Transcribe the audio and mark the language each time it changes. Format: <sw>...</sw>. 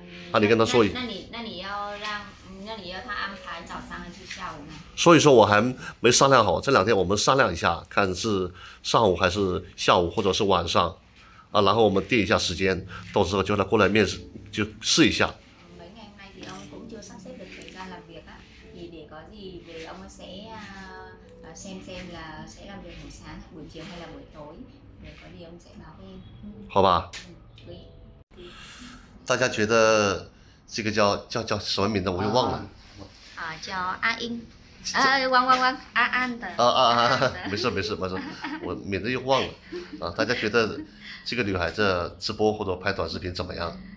<zh>啊，你跟他说一那你要他安排早上还是下午呢？说一说，我还没商量好，这两天我们商量一下，看是上午还是下午，或者是晚上，啊，然后我们定一下时间，到时候叫他过来面试，就试一下。</zh> <vi>Mấy ngày hôm nay thì ông cũng chưa sắp xếp được thời gian làm việc á, thì để có gì về ông sẽ xem là sẽ làm việc buổi sáng, buổi chiều hay là buổi tối, để có gì ông sẽ báo với em.</vi> <zh>好吧，对。大家觉得这个叫什么名字？我又忘了。叫阿英，汪汪汪，阿安的，阿安的，没事没事没事，我名字又忘了。啊，大家觉得这个女孩子直播或者拍短视频怎么样？</zh>